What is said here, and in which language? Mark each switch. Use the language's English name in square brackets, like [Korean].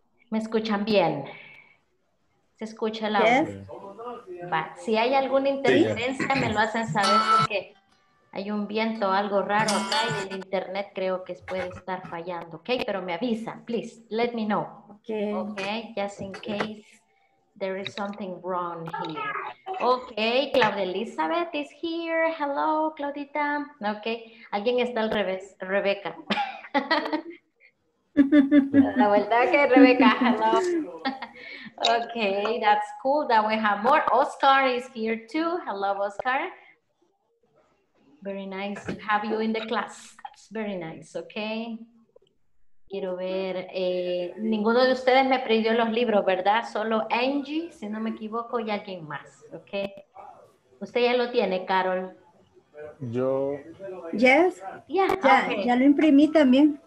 [Spanish] ¿Me escuchan bien? ¿Se escucha el audio? [English] Yes. [Spanish] Va. Si hay alguna interferencia, me lo hacen saber porque hay un viento algo raro acá y el internet creo que puede estar fallando. [English] Okay, [Spanish] pero me avisan. [English] Please, let me know. Okay. Okay, just in case there is something wrong here. Okay, Claudia Elizabeth is here. Hello, Claudita. [Spanish] Okay, alguien está al revés. Rebeca. La vuelta que Rebeca, hello. [English] Okay, that's cool that we have more. Oscar is here too. Hello, Oscar. Very nice to have you in the class. That's very nice, okay. [Spanish] Quiero ver, ninguno de ustedes me pidió los libros, ¿verdad? Solo Angie, si no me equivoco, y alguien más, okay. Usted ya lo tiene, Carol. Yo. [English] Yes. Yeah. [Spanish] Ya lo imprimí también.